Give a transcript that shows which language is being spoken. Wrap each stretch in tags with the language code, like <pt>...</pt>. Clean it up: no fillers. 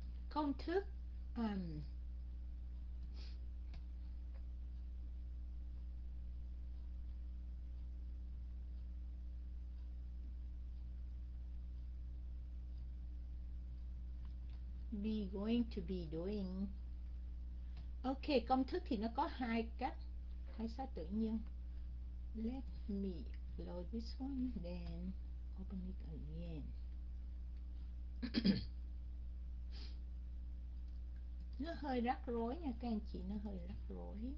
<vi>Công thức</vi> <en>be going to be doing.</en> <vi>Ok, công thức thì nó có hai cách. Hai sao tự nhiên.</vi> <en>Let me close this one, then open it again.</en> <vi>Nó hơi rắc rối nha các anh chị, nó hơi rắc rối.</vi>